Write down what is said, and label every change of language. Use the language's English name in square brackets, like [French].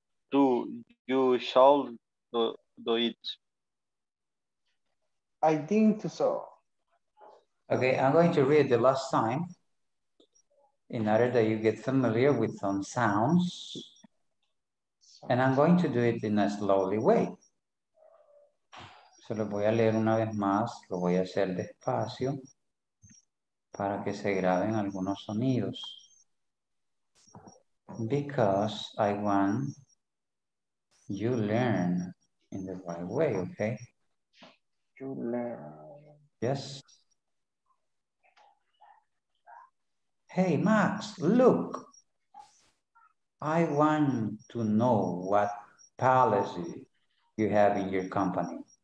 [English] Do you show do it? I think so. Okay, I'm going to read the last time in order that you get familiar with some sounds. And I'm going to do it in a slowly way. [Spanish] Se lo voy a leer una vez más, lo voy a hacer despacio para que se graben algunos sonidos. [English] Because I want you learn in the right way, okay? You learn. Yes. Hey, Max, look, I want to know what policy you have in your company.